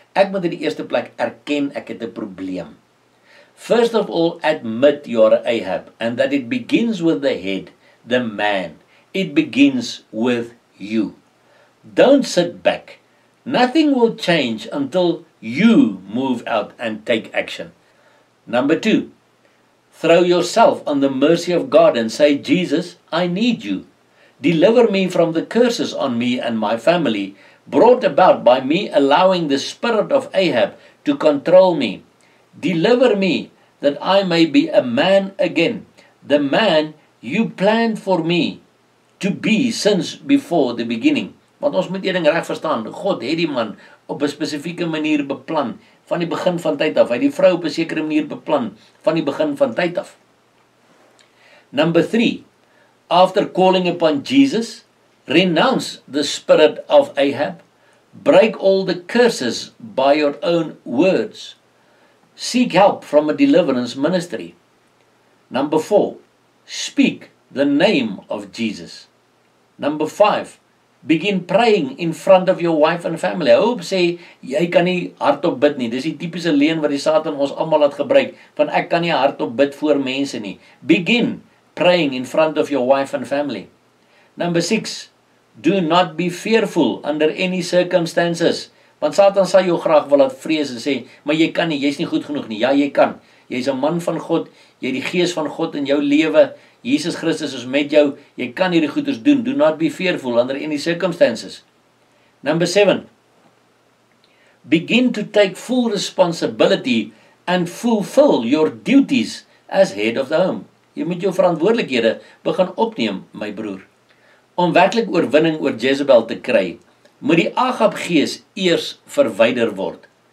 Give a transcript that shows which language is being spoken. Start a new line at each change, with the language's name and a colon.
Afrikaans: Ek moet in die eerste plek erken, ek het 'n probleem.
English: First of all, admit you are Ahab. And that it begins with the head, the man. It begins with you. Don't sit back. Nothing will change until you move out and take action. Number 2. Throw yourself on the mercy of God and say, Jesus, I need you. Deliver me from the curses on me and my family, brought about by me allowing the spirit of Ahab to control me. Deliver me that I may be a man again, the man you planned for me to be since before the beginning.
Afrikaans: Want ons moet een ding reg verstaan, God het die man op 'n spesifieke manier beplan, van die begin van tyd af. Hy die vrou op 'n sekere manier beplan van die begin van tyd af.
English: Number 3. After calling upon Jesus, renounce the spirit of Ahab. Break all the curses by your own words. Seek help from a deliverance ministry. Number 4. Speak the name of Jesus. Number 5. Begin praying in front of your wife and family. I hope
Afrikaans: sê, jy kan nie hardop bid nie. Dis die typiese leen wat die Satan ons allemaal laat gebruik, van ek kan nie hardop bid voor mense nie.
English: Begin praying in front of your wife and family. Number 6, do not be fearful under any circumstances.
Afrikaans: Want Satan sal jou graag wil laat vrees en sê, maar jy kan nie, jy is nie goed genoeg nie. Ja, jy kan. Jy is 'n man van God, jy het die gees van God in jou lewe, Jesus Christus is met jou, jy kan hierdie goeders doen.
English: Do not be fearful under any circumstances. Number 7. Begin to take full responsibility and fulfill your duties as head of the home.
Afrikaans: Jy moet jou verantwoordelikhede begin opneem, my broer. Om werklik oorwinning oor Jezebel te kry, moet die Agab-gees eers verwyder word.